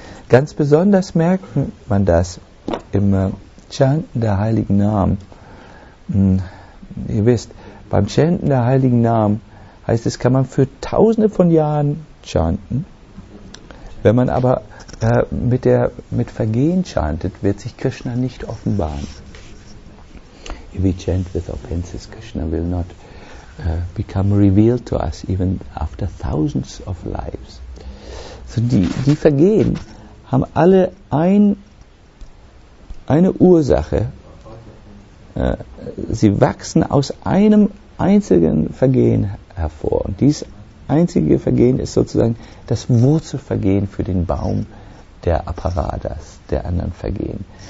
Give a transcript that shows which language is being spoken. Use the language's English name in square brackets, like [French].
[German] Ganz besonders merkt man das im Chanten der Heiligen Namen. Ihr wisst, beim Chanten der Heiligen Namen heißt es, kann man für tausende von Jahren chanten. Wenn man aber mit Vergehen chantet, wird sich Krishna nicht offenbaren. [English] If we chant with offenses, Krishna will not become revealed to us, even after thousands of lives. [German] So die Vergehen haben alle eine Ursache. Sie wachsen aus einem einzigen Vergehen hervor. Und dies einzige Vergehen ist sozusagen das Wurzelvergehen für den Baum der Aparadas, der anderen Vergehen.